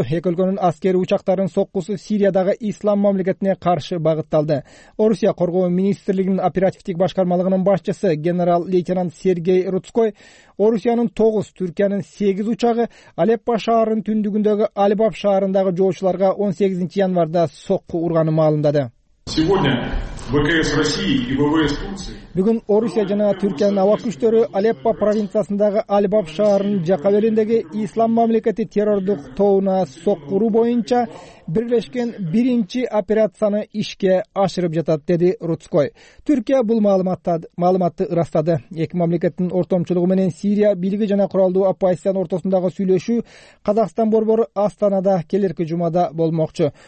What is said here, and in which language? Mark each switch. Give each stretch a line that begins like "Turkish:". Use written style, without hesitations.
Kyrgyz: Эки өлкөнүн аскерий учактарынын соккусу Сириядагы Ислам мамлекетине каршы багытталды. Орусия коргоо министрлигинин оперативдик башкармалыгынын башчысы генерал-лейтенант Сергей Рудской Орусиянын 9, Түркиянын 8 учагы Алеппо шаарынын түндүгүндөгү Альбаб шаарындагы жолчуларга 18 январда сокку урганы маалымдады.
Russian: Сегодня ВКС России и ВВС Турции.
Kyrgyz: Бүгүн Орусия жана Түркиянын аба күчтөрү Алеппо провинциясындагы Альбаб шаарынын жака белиндеги Ислам мамлекети террордук тобуна соккуру боюнча бирлешкен биринчи операцияны ишке ашырып жатат, деди Рудской. Түркия бул маалыматты ырастады. Эки мамлекеттин ортомчулугу менен Сирия бийлиги жана куралдуу оппозициянын ортосундагы сүйлөшүү Казакстан борбор Астанада келерки жумада болмокчу.